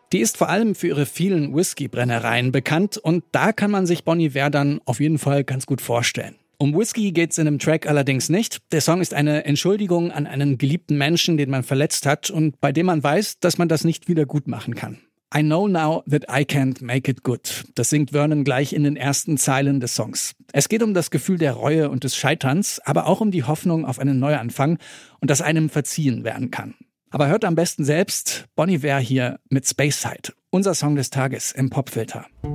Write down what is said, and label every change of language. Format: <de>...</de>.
<de>Die ist vor allem für ihre vielen Whisky-Brennereien bekannt und da kann man sich Bon Iver dann auf jeden Fall ganz gut vorstellen. Um Whisky geht's in dem Track allerdings nicht. Der Song ist eine Entschuldigung an einen geliebten Menschen, den man verletzt hat und bei dem man weiß, dass man das nicht wieder gut machen kann.</de> <en>I know now that I can't make it good.</en> <de>Das singt Vernon gleich in den ersten Zeilen des Songs. Es geht um das Gefühl der Reue und des Scheiterns, aber auch um die Hoffnung auf einen Neuanfang und dass einem verziehen werden kann. Aber hört am besten selbst Bon Iver hier mit Spaceside, unser Song des Tages im Popfilter.</de>